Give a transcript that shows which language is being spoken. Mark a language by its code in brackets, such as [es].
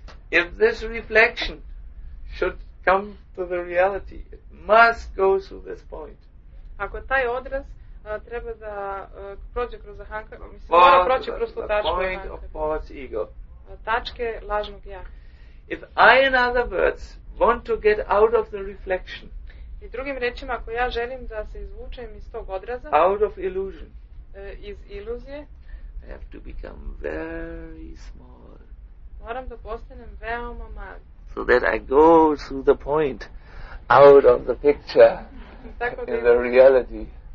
[en] If this reflection should come to the reality, it must go through this point. [sr] Ako taj odraz treba da prođe kroz ahankara, mislim, mora proći kroz tu tačku. [en] The point of false ego. [sr] Tačke lažnog ja. [en] If I, in other words, want to get out of the reflection. [sr] I drugim rečima, ako ja želim da se izvučem iz tog odraza. [en] Out of illusion. [sr] Iz iluzije. [en] I have to become very small. [sr] Moram da postanem veoma mali. [en] So that I go through the point, out of the picture, in the reality.